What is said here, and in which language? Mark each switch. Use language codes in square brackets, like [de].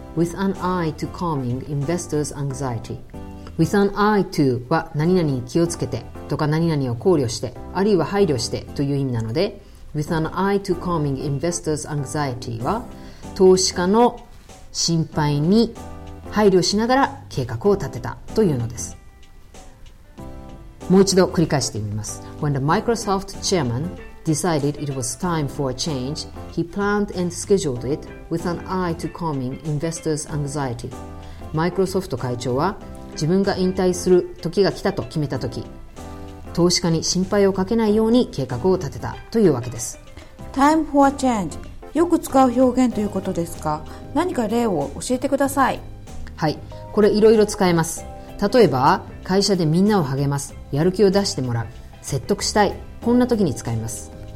[en] With an eye to calming investors' anxiety、 With an eye to [ja] は何々に気をつけてとか、何々を考慮して、あるいは配慮してという意味なので、 With an eye to calming investors' anxiety は投資家の心配に配慮しながら計画を立てたというのです。もう一度繰り返してみます。 [en] When the Microsoft chairman decided it was time for a change, he planned and scheduled it with an eye to calming investors' anxiety。 [ja] マイクロソフト会長は自分が引退する時が来たと決めた時、投資家に心配をかけないように計画を立てたというわけです。 [en] Time for a change、 [ja] よく使う表現ということですか。何か例を教えてください。はい、これいろいろ使えます。例えば会社でみんなを励ます、やる気を出してもらう、説得したい、こんな時に使います。